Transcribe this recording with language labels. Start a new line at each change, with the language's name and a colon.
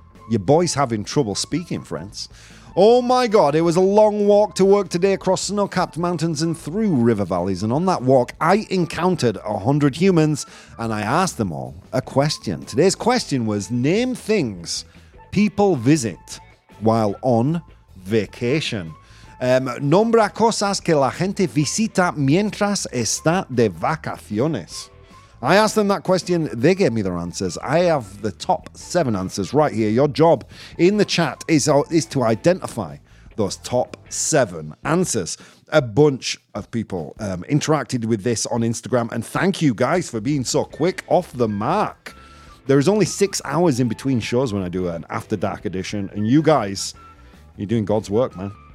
English: Your boy's having trouble speaking, friends. Oh my God, it was a long walk to work today across snow-capped mountains and through river valleys. And on that walk, I encountered 100 humans and I asked them all a question. Today's question was, name things people visit while on vacation.
Spanish: Nombra cosas que la gente visita mientras está de vacaciones.
English: I asked them that question. They gave me their answers. I have the top 7 answers right here. Your job in the chat is to identify those top 7 answers. A bunch of people interacted with this on Instagram. And thank you guys for being so quick off the mark. There is only 6 hours in between shows when I do an After Dark edition, and you guys, you're doing God's work, man.